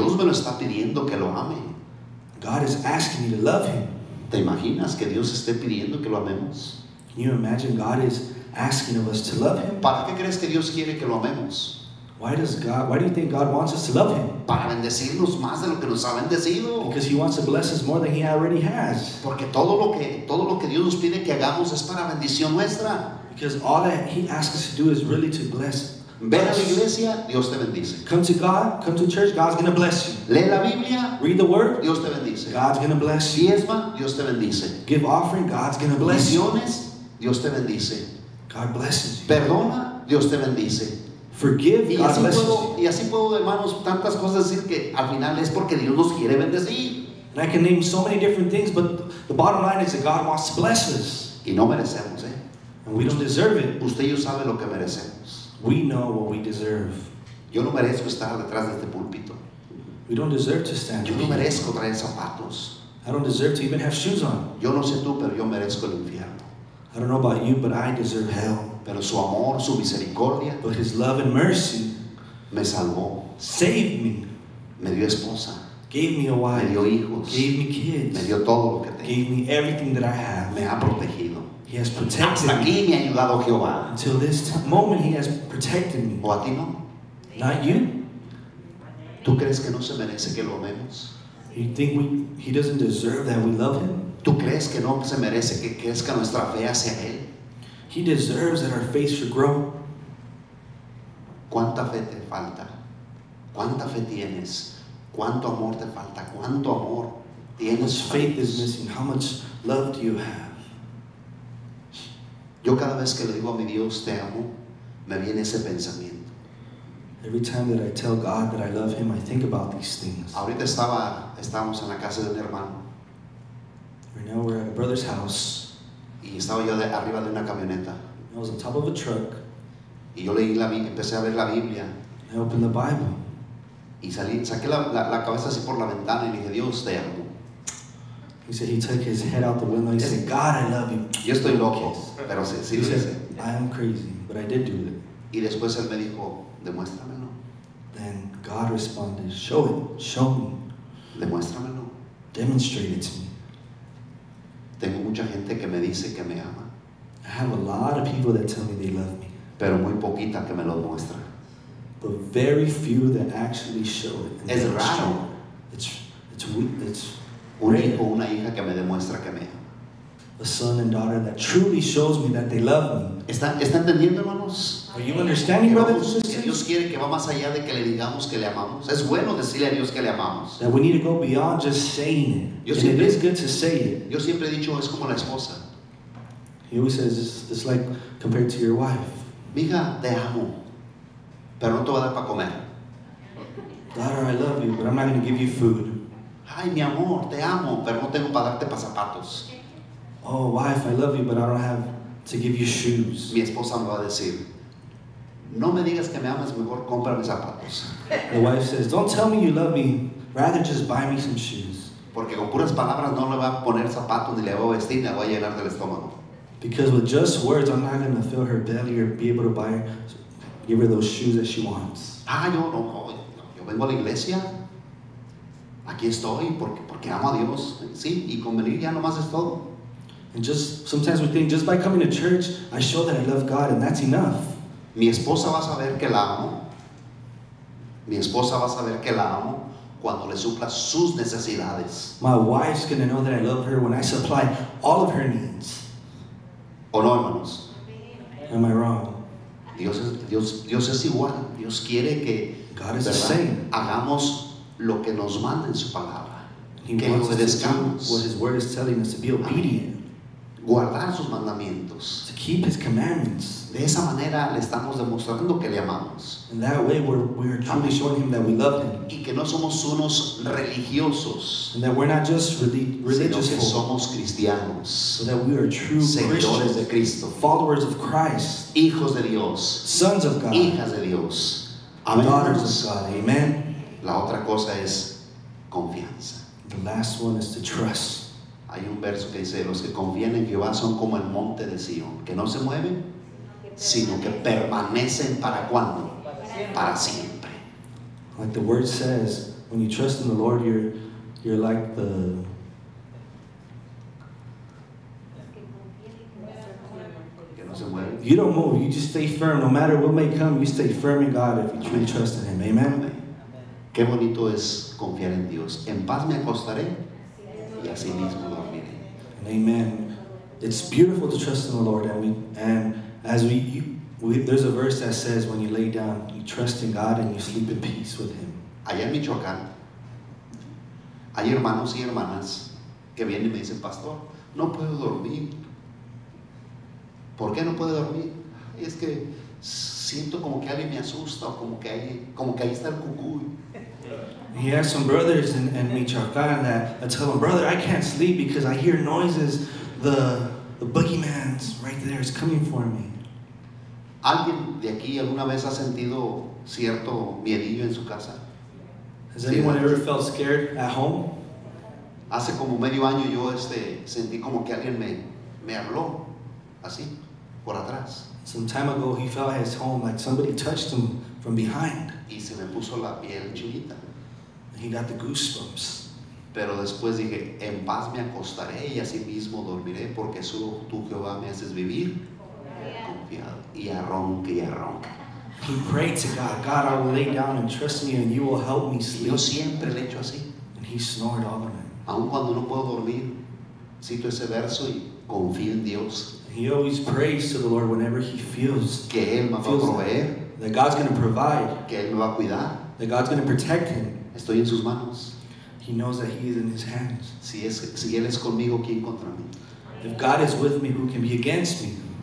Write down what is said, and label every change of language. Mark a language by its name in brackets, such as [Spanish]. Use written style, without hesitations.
[Spanish] Dios me lo está pidiendo que lo ame. [English] God is asking you to love Him. [Spanish] ¿Te imaginas que Dios esté pidiendo que lo amemos? [English] Can you imagine God is asking of us to love Him? [Spanish] ¿Para qué crees que Dios quiere que lo amemos? [English] Why do you think God wants us to love Him? [Spanish] Para bendecirnos más de lo que nos ha bendecido. [English] Because He wants to bless us more than He already has. [Spanish] Porque todo lo que Dios nos pide que hagamos es para bendición nuestra. [English] Because all that He asks us to do is really to bless. [Spanish] Ven a la iglesia, Dios te bendice. [English] Come to God, come to church, God's going to bless you. [Spanish] Lee la Biblia, [English] read the word, [Spanish] Dios te bendice. [English] God's going to bless you. [Spanish] Diezma, Dios te bendice. [English] Give offering, God's going to bless you. [Spanish] Misiones, Dios te bendice. [English] God blesses you. [Spanish] Perdona, Dios te bendice. [English] Forgive, God blesses you. [Spanish] Y así puedo, hermanos, tantas cosas decir que al final es porque Dios nos quiere bendecir. [English] And I can name so many different things, but the bottom line is that God wants to bless us. [Spanish] Y no merecemos, ¿eh? [English] And we don't deserve it. [Spanish] Usted y yo sabe lo que merecemos. [English] We know what we deserve. [Spanish] Yo no merezco estar detrás de este púlpito. [English] We don't deserve to stand. [Spanish] Yo no merezco traer zapatos. [English] I don't deserve to even have shoes on. [Spanish] Yo no sé tú, pero yo merezco el infierno. [English] I don't know about you, but I deserve hell. [Spanish] Pero su amor, su misericordia, [English] but His love and mercy, [Spanish] me salvó. [English] Saved me. [Spanish] Me dio esposa. [English] Gave me a wife. [Spanish] Me dio hijos. [English] Gave me kids. [Spanish] Me dio todo lo que tengo. [English] Gave me everything that I have. [Spanish] Me ha protegido. [English] He has protected [Spanish] hasta aquí me ha ayudado Jehová. [English] Until this moment He has protected me. [Spanish] ¿O a ti no? [English] Not you. [Spanish] ¿Tú crees que no se merece que lo amemos? [English] You think He doesn't deserve that we love Him? [Spanish] ¿Tú crees que no se merece que crezca nuestra fe hacia Él? [English] He deserves that our faith should grow. [Spanish] ¿Cuánta fe te falta? ¿Cuánta fe tienes? ¿Cuánto amor te falta? ¿Cuánto amor tienes? [English] How much faith is missing? How much love do you have? [Spanish] Yo cada vez que le digo a mi Dios te amo, me viene ese pensamiento. [English] Every time that I tell God that I love Him, I think about these things. [Spanish] Ahorita estábamos en la casa de mi hermano. [English] Right now we're at a brother's house. [Spanish] Y estaba yo arriba de una camioneta. [English] I was on top of a truck. [Spanish] Y yo leí empecé a ver la Biblia. [English] I opened the Bible. [Spanish] Y saqué la cabeza así por la ventana y dije, Dios te amo. [English] He said he took his head out the window. He said, God, I love you. [Spanish] Yo estoy loco, pero sí [English] he said, I am crazy, but I did do it. [Spanish] Y después él me dijo, demuéstramelo. [English] Then God responded, show it, show me. [Spanish] Demuéstramelo. [English] Demonstrate it to me. [Spanish] Tengo mucha gente que me dice que me ama. [English] I have a lot of people that tell me they love me. [Spanish] Pero muy poquita que me lo muestra. [English] But very few that actually show it. [Spanish] Es raro. [English] It's [Spanish] un hijo o una hija que me demuestra que me ama. [English] A son and daughter that truly shows me that they love me. [Spanish] ¿Está entendiendo, hermanos? [English] Are you understanding, brothers? [Spanish] Que Dios quiere que va más allá de que le digamos que le amamos. Es bueno decirle a Dios que le amamos. [English] That we need to go beyond just saying it. And it is good to say it. [Spanish] Yo siempre he dicho, es como la esposa. [English] He always says, it's like compared to your wife. [Spanish] Mija, te amo. Pero no te voy a dar para comer. [English] Daughter, I love you, but I'm not going to give you food. [Spanish] Ay, mi amor, te amo, pero no tengo para darte para zapatos. [English] Oh, wife, I love you, but I don't have to give you shoes. [Spanish] Mi esposa me va a decir, no me digas que me amas, mejor cómprame zapatos. [English] The wife says, don't tell me you love me, rather just buy me some shoes. [Spanish] Porque con puras palabras no le va a poner zapatos, ni le va a vestir, ni le va a llenar del estómago. [English] Because with just words, I'm not going to fill her belly or be able to buy her, give her those shoes that she wants. [Spanish] Ah, yo vengo a la iglesia. Aquí estoy porque amo a Dios, sí, y con venir ya nomás es todo. [English] And just sometimes we think just by coming to church I show that I love God and that's enough. [Spanish] Mi esposa va a saber que la amo. Mi esposa va a saber que la amo cuando le supla sus necesidades. [English] My wife's gonna know that I love her when I supply all of her needs. [Spanish] ¿O no, hermanos? [English] Am I wrong? [Spanish] Dios es igual. Dios quiere que [English] God is the same. [Spanish] Hagamos lo que nos manda en su palabra. [English] He wants us to do what his word is telling us, to be obedient. [Spanish] Guardar sus mandamientos. [English] To keep his commandments. [Spanish] De esa manera le estamos demostrando que le amamos. [English] In that way we're truly showing him that we love him. [Spanish] Y que no somos unos religiosos. [English] And that we're not just religious, [Spanish] sino que somos cristianos. [English] So that we are true [Spanish] seguidores [English] Christians, [Spanish] de Cristo. [English] Followers of Christ. [Spanish] Hijos de Dios. [English] Sons of God. [Spanish] Hijas de Dios. [English] Amen. Daughters of God. Amen. [Spanish] La otra cosa es confianza. [English] The last one is to trust. [Spanish] Hay un verso que dice, los que confían en Jehová son como el monte de Sion, que no se mueven, sino que permanecen ¿para cuándo? Para siempre. [English] Like the word says, when you trust in the Lord, you're like the... [Spanish] Que no se mueven. [English] You don't move, you just stay firm. No matter what may come, you stay firm in God if you truly trust in Him. Amen. Amen. [Spanish] Qué bonito es confiar en Dios. En paz me acostaré y así mismo. Amen. [English] It's beautiful to trust in the Lord, and there's a verse that says when you lay down, you trust in God and you sleep in peace with Him. [Spanish] Allá en Michoacán, hay hermanos y hermanas que vienen y me dicen, Pastor, no puedo dormir. ¿Por qué no puedo dormir? Es que siento como que alguien me asusta, o como que ahí está el cucuy. [English] He has some brothers in Michoacán that I tell him, brother, I can't sleep because I hear noises. The boogeyman's right there. It's coming for me. [Spanish] ¿Alguien de aquí alguna vez ha sentido cierto miedillo en su casa? [English] Has anyone ever felt scared at home? [Spanish] Hace como medio año yo sentí como que alguien me habló así por atrás. [English] Some time ago he felt at his home like somebody touched him from behind. [Spanish] Y se me puso la piel chinita. [English] He got the goosebumps. [Spanish] Pero después dije, en paz me acostaré y así mismo dormiré, porque solo tú, Jehová, me haces vivir confiado. Y arronca y arronca. [English] He prayed to God, God, I will lay down and trust me and you will help me sleep. [Spanish] Yo siempre le echo así. [English] And he snored all the night. [Spanish] Aun cuando no puedo dormir, cito ese verso y confío en Dios. [English] He always prays to the Lord whenever he feels [Spanish] que Él me va a proveer. [English] That God's going to provide. [Spanish] Que Él me va a cuidar. [English] That God's going to protect him. [Spanish] Estoy en sus manos. [English] He knows that he is in his hands. [Spanish] Si él es conmigo, ¿quién contra mí? [English] If God is with me, who can be against me?